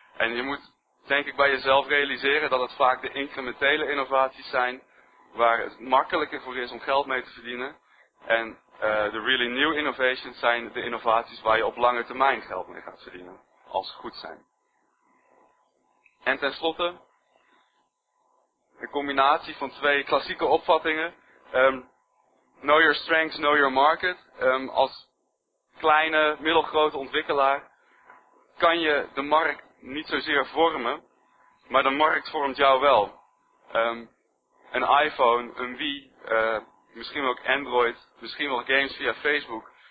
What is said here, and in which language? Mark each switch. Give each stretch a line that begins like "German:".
Dutch: En je moet, denk ik, bij jezelf realiseren dat het vaak de incrementele innovaties zijn waar het makkelijker voor is om geld mee te verdienen. En de
English: really new innovations
Dutch: zijn de innovaties waar je op lange termijn geld mee gaat verdienen, als ze goed zijn. En tenslotte, een combinatie van twee klassieke opvattingen.
English: Know your strengths, know your market.
Dutch: Als kleine, middelgrote ontwikkelaar kan je de markt niet zozeer vormen, maar de markt vormt jou wel. Een iPhone, een Wii, misschien wel ook Android, misschien wel games via Facebook.